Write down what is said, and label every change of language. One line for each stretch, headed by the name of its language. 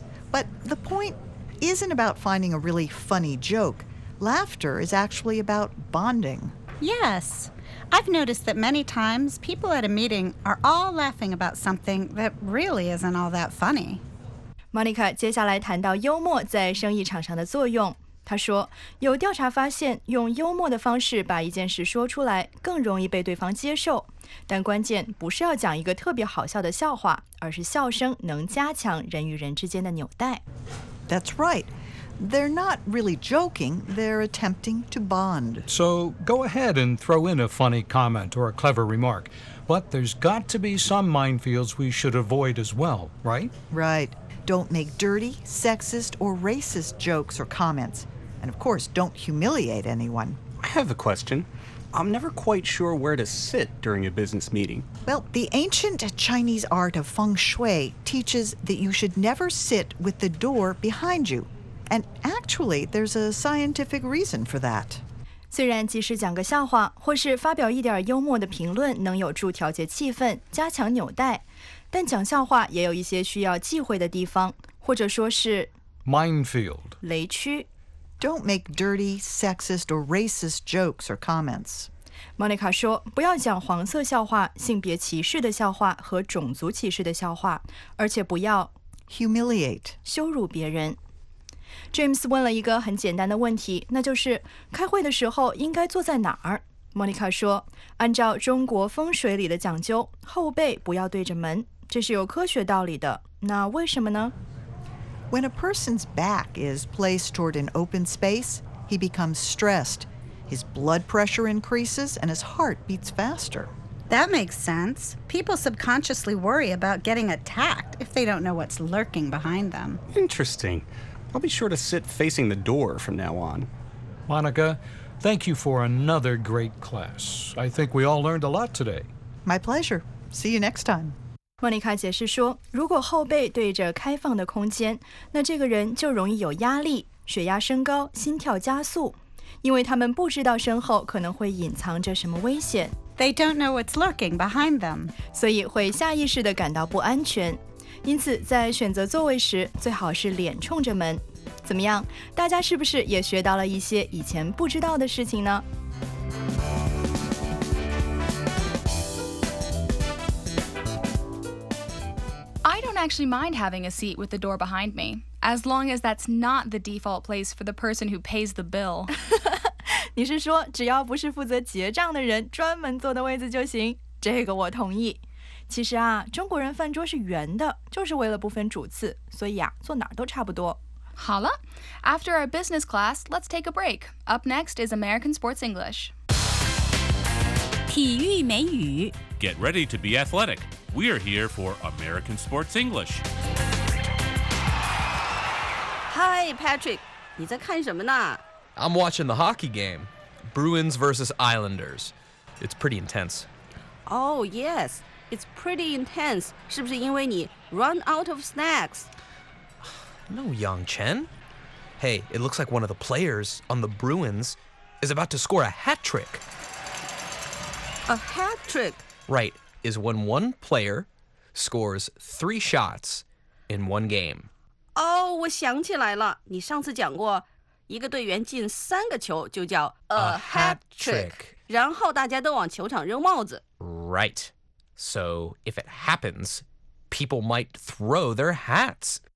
English: But the point isn't about finding a really funny joke. Laughter is actually about bonding. Yes. I've noticed that many times people at a meeting are all laughing about something that really isn't all that funny.
Chinese: Monica 接下来谈到幽默在生意场上的作用。她说，有调查发现用幽默的方式把一件事说出来更容易被对方接受。但关键不是要讲一个特别好笑的笑话，而是笑声能加强人与人之间的纽带。
English: That's right. They're not really joking, they're attempting to bond. So go ahead and throw in a funny comment or a clever remark. But there's got to be some minefields we should avoid as well, right? Right. Don't make dirty, sexist, or racist jokes or comments. And of course, don't humiliate anyone. I have a question. I'm never quite sure where to sit during a business meeting. Well, the ancient Chinese art of feng shui teaches that you should never sit with the door behind you. And actually, there's a scientific reason for that.
Chinese: 虽然即使讲个笑话或是发表一点幽默的评论能有助调节气氛加强纽带但讲笑话也有一些需要忌讳的地方或者说是
English: minefield
Chinese: 雷区
English: Don't make dirty, sexist, or racist jokes or comments.
Chinese: Monica 说不要讲黄色笑话性别歧视的笑话和种族歧视的笑话而且不要
English: humiliate
Chinese: 羞辱别人James 问了一个很简单的问题，那就是开会的时候应该坐在哪儿？ Monica 说，按照中国风水里的讲究，后背不要对着门，这是有科学道理的。那为什么呢？
English: When a person's back is placed toward an open space, he becomes stressed. His blood pressure increases and his heart beats faster. That makes sense. People subconsciously worry about getting attacked if they don't know what's lurking behind them. Interesting. I'll be sure to sit facing the door from now on. Monica, thank you for another great class. I think we all learned a lot today. My pleasure. See you next time.
Chinese: Monica 解释说，如果后背对着开放的空间，那这个人就容易有压力，血压升高，心跳加速，因为他们不知道身后可能会隐藏着什么危险。
English: They don't know what's lurking behind them.
Chinese: 所以会下意识地感到不安全。因此在选择座位时最好是脸冲着门。怎么样？大家是不是也学到了一些以前不知道的事情呢？
English: Actually mind having a seat with the door behind me, as long as that's not the default place for the person who pays the bill.
Chinese: 你是说只要不是负责结账的人专门坐的位置就行？这个我同意。其实啊，中国人饭桌是圆的，就是为了不分主次，所以啊，坐哪儿都差不多。好了，
English: after our business class, let's take a break. Up next is American Sports English.
Chinese: 体育美语。
English: Get ready to be athletic. We are here for American Sports English. Hi, Patrick.
Chinese: 你在看什么呢？
English: I'm watching the hockey game. Bruins versus Islanders. It's pretty intense. Oh, yes. It's pretty intense.
Chinese: 是不是因为你
English: run out of snacks? No, Yang Chen. Hey, it looks like one of the players on the Bruins is about to score a hat trick. A hat trick? Right, is when one player scores three shots in one game.
Chinese: Oh, 我想起来了，你上次讲过，一个队员进三个球就叫
English: a hat trick.
Chinese: 然后大家都往球场扔帽子。
English: Right. So if it happens, people might throw their hats.